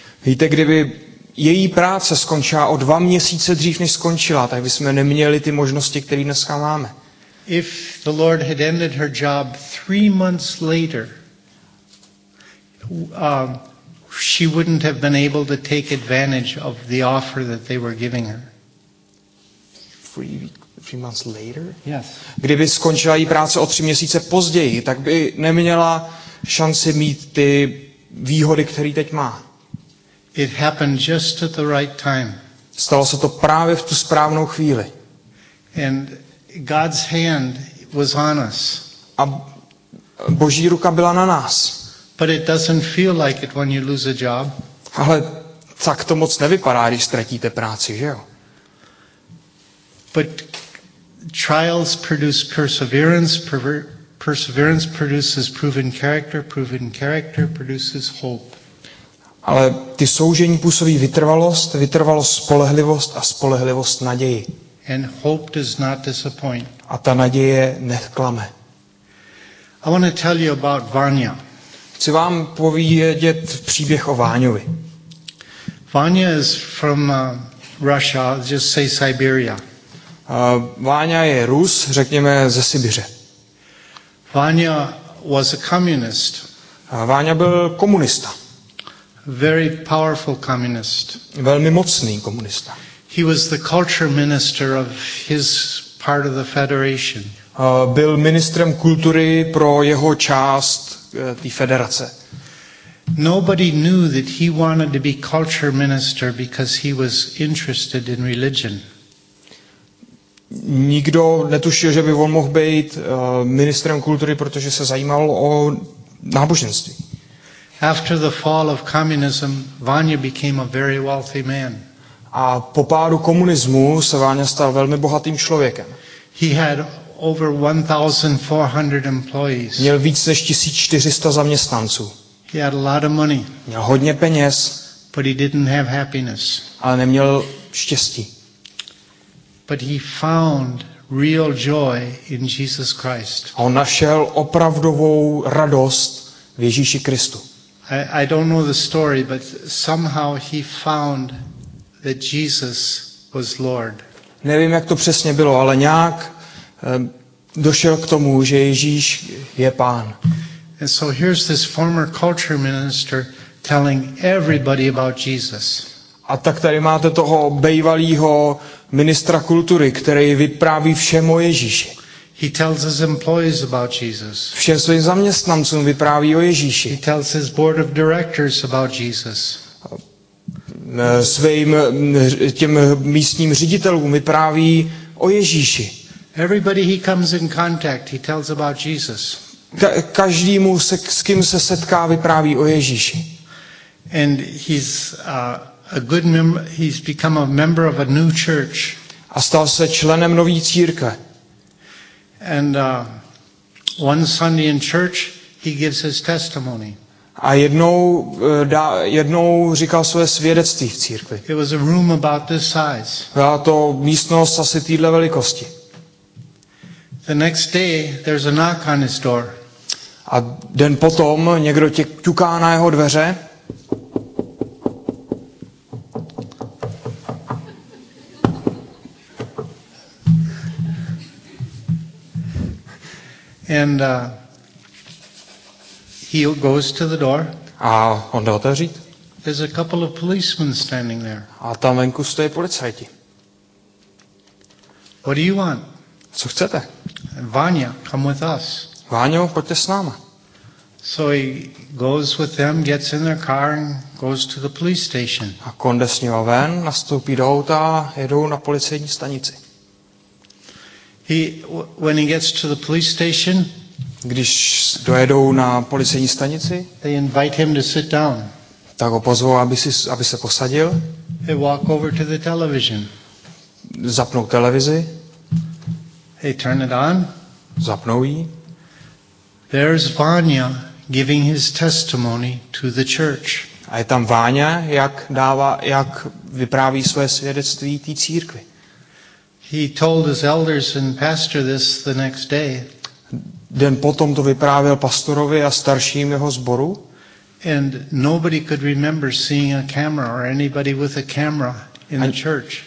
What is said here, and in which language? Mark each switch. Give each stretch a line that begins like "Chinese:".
Czech: Víte, kdyby její práce skončila o 2 měsíce dřív, než skončila, tak bychom neměli ty možnosti, které dneska máme.
English: If the Lord had ended her job 3 months later, she wouldn't have been able to take advantage of the offer that they were giving her. Three months later? Yes.
Czech: Kdyby skončila její práce o 3 měsíce později, tak by neměla šanci mít ty výhody, které teď má.
English: It happened just at the right time.
Czech: Stalo se to právě v tu správnou chvíli.
English: And God's hand was on us.
Czech: A Boží ruka byla na nás.
English: But it doesn't feel like it when you lose a job.
Czech: Ale tak to moc nevypadá, když ztratíte práci, že jo?
English: But trials produce perseverance. Perseverance produces proven character. Proven character produces hope.
Czech: Ale ty soužení působí vytrvalost, vytrvalost spolehlivost a spolehlivost naději.
English: And hope does not disappoint.
Czech: A ta naděje neklame.
English: I want to tell you about Vanya.
Czech: Chci vám povědět příběh o Váňovi.
English: Vanya is from Russia, just say Siberia.
Czech: Váňa je Rus, řekněme ze Sibiře.
English: Vanya was a communist.
Czech: Váňa byl komunista.
English: Very powerful communist.
Czech: Velmi mocný komunista.
English: He was the culture minister of his part of the federation.
Czech: Byl ministrem kultury pro jeho část té federace.
English: Nobody knew that he wanted to be culture minister because he was interested in religion.
Czech: Nikdo netušil, že by on mohl být ministrem kultury, protože se zajímal o náboženství.
English: After the fall of communism, Vanya became a very wealthy man.
Czech: A po pádu komunismu se Váňa stal velmi bohatým člověkem.
English: He had over 1400 employees.
Czech: Měl víc než 1400 zaměstnanců.
English: He had a lot of money.
Czech: Měl hodně peněz.
English: But he didn't have happiness.
Czech: Ale neměl štěstí.
English: But he found real joy in Jesus Christ.
Czech: On našel opravdovou radost v Ježíši Kristu.
English: I don't know the story, but somehow he found that Jesus was Lord.
Czech: Nevím, jak to přesně bylo, ale nějak došel k tomu, že Ježíš je Pán.
English: And so here's this former culture minister telling everybody about Jesus.
Czech: A tak tady máte toho bývalého ministra kultury, který vypráví všem o Ježíši.
English: He tells his employees about Jesus.
Czech: Všem svým zaměstnancům vypráví o Ježíši.
English: He tells his board of directors about Jesus.
Czech: Svým těm místním ředitelům vypráví o Ježíši.
English: Everybody he comes in contact, he tells about Jesus.
Czech: Každému, s kým se setká, vypráví o Ježíši.
English: And he's a good member, he's become a member of a new church.
Czech: A stal se členem nový církve.
English: And one Sunday in church he gives his testimony.
Czech: A jednou říkal své svědectví v církvi.
English: It was a room about this size.
Czech: Byla to místnost asi téhle velikosti.
English: The next day there's a knock on his door.
Czech: A den potom někdo ťuká na jeho dveře.
English: And And he goes to the door.
Czech: A on jde otevřít.
English: There's a couple of policemen standing there.
Czech: A tam venku stojí policajti.
English: What do you want?
Czech: Co chcete?
English: Vanya, come with us.
Czech: Váňo, pojďte s náma.
English: So he goes with them, gets in their car and goes to the police station.
Czech: A konde s ním ven, nastoupí do auta, jedou na policejní stanici.
English: When he gets to the police station,
Czech: když dojedou na policejní stanici,
English: they invite him to sit down.
Czech: Tak ho pozvou, aby se posadil.
English: They walk over to the television.
Czech: Zapnou televizi.
English: They turn it on.
Czech: Zapnou ji.
English: There's Vanya giving his testimony to the church.
Czech: A je tam Vanya, jak dává, jak vypráví své svědectví té církvi.
English: He told his elders and pastor this the next day.
Czech: Den potom to vyprávěl pastorovi a starším jeho sboru.
English: And nobody could remember seeing a camera or anybody with a camera in the church.